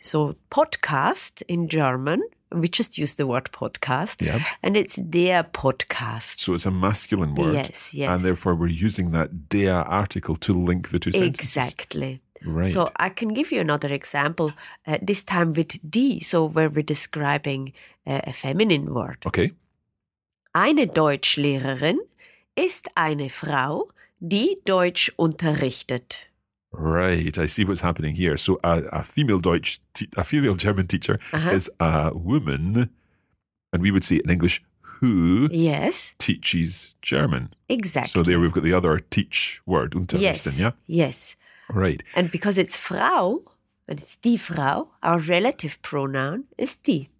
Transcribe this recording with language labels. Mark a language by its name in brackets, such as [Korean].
[English] So podcast in German, we just use the word podcast, and it's der Podcast. So it's a masculine word. Yes, yes. And therefore we're using that der article to link the two sentences. Exactly. Right. So I can give you another example, this time with die, so where we're describing a feminine word. Okay. [German] Eine Deutschlehrerin ist eine Frau, die Deutsch unterrichtet. [English] Right, I see what's happening here. So a female German teacher is a woman, and we would say in English, who teaches German. Exactly. So there we've got the other teach word, unterrichten, Yes. Right. And because it's Frau, and it's die Frau, our relative pronoun is die.